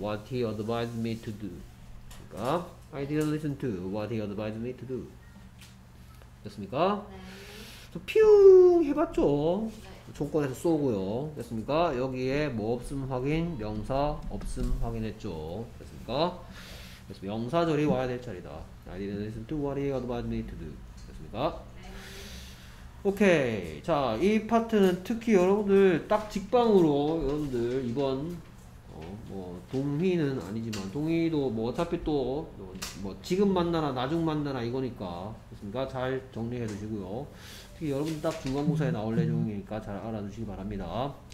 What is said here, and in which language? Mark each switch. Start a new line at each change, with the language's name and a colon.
English: What he advised me to do.
Korean: 그러니까
English: I didn't listen to what he advised me to do.
Korean: 됐습니까? 네. 퓨웅 해봤죠. 네. 조건에서 쏘고요. 됐습니까? 여기에 뭐 없음 확인, 명사 없음 확인했죠. 됐습니까? 그래서 명사절이 와야 될 차례다.
English: I didn't listen to what he advised me to do.
Korean: 됐습니까? 오케이. 자, 이 파트는 특히 여러분들 딱 직방으로 여러분들 이번 뭐 동희는 아니지만 동희도 뭐 어차피 또 뭐 지금 만나나 나중 만나나 이거니까 됐습니까? 잘 정리해 두시고요. 특히 여러분들 딱 중간고사에 나올 내용이니까 잘 알아두시기 바랍니다.